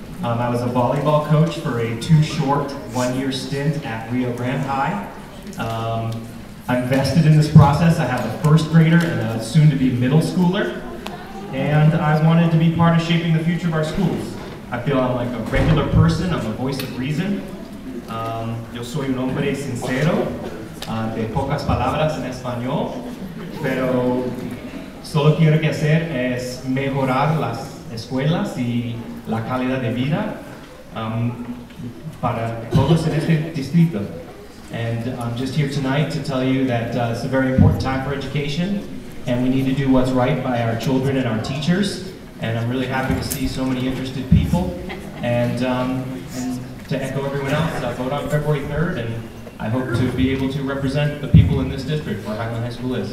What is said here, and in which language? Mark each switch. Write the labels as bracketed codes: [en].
[en] I was a volleyball coach for a too short 1 year stint at Rio Grande High. I'm vested in this process. I have a first grader and a soon to be middle schooler. And I wanted to be part of shaping the future of our schools. I feel I'm like a regular person. I'm a voice of reason. [es] Yo soy un hombre sincero, de pocas palabras en español, pero solo quiero que hacer es mejorar las escuelas y la calidad de vida para todos en este distrito. [en] And I'm just here tonight to tell you that it's a very important time for education, and we need to do what's right by our children and our teachers. And I'm really happy to see so many interested people. And to echo everyone else, I vote on February 3rd, and I hope to be able to represent the people in this district where Highland High School is.